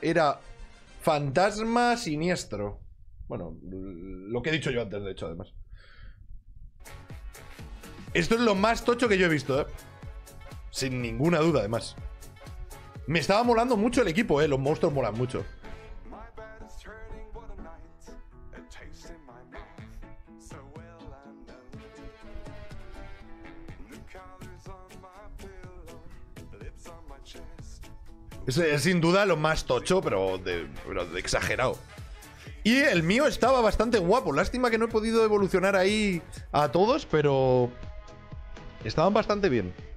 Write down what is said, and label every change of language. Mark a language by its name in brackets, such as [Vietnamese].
[Spanish] Era fantasma siniestro. Bueno, lo que he dicho yo antes, de hecho, además. Esto es lo más tocho que yo he visto, ¿eh? Sin ninguna duda, además. Me estaba molando mucho el equipo, ¿eh? Los monstruos molan mucho. [English] taste in my mouth. So well I know the colors on my pillow, lips on my chest. [Spanish] Ese es sin duda lo más tocho, pero de exagerado. Y el mío estaba bastante guapo. Lástima que no he podido evolucionar ahí a todos, pero estaban bastante bien.